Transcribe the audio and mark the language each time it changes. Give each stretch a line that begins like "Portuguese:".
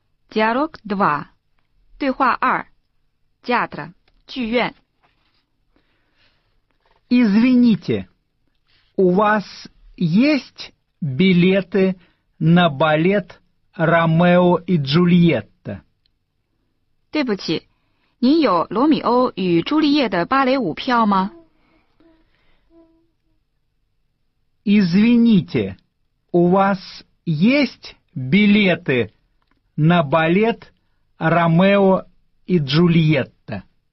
Russian: Диалог 2.
Chinese: 对话 2.
Russian: Театра.
Chinese: 剧院.
Russian: Извините, у вас есть билеты на балет Ромео и Джульетта?
Chinese: 对不起, 您有罗密欧与朱丽叶的芭蕾舞票吗?
Russian: Извините, у вас есть билеты на балет Ромео и Джульетта?